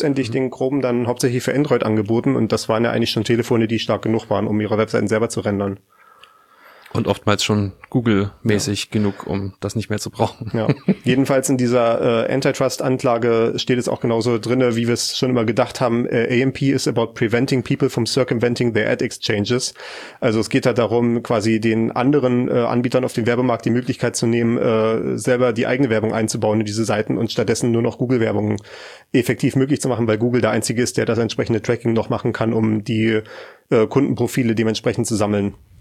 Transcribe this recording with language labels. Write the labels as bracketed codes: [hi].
[de] Letztendlich den Chrome dann hauptsächlich für Android angeboten und das waren ja eigentlich schon Telefone, die stark genug waren, um ihre Webseiten selber zu rendern. Und oftmals schon Google-mäßig genug, um das nicht mehr zu brauchen. Ja. Jedenfalls in dieser Antitrust-Anklage steht es auch genauso drinne, wie wir es schon immer gedacht haben. [en] AMP is about preventing people from circumventing their ad exchanges. [de] Also es geht halt darum, quasi den anderen Anbietern auf dem Werbemarkt die Möglichkeit zu nehmen, selber die eigene Werbung einzubauen in diese Seiten und stattdessen nur noch Google-Werbung effektiv möglich zu machen, weil Google der Einzige ist, der das entsprechende Tracking noch machen kann, um die Kundenprofile dementsprechend zu sammeln.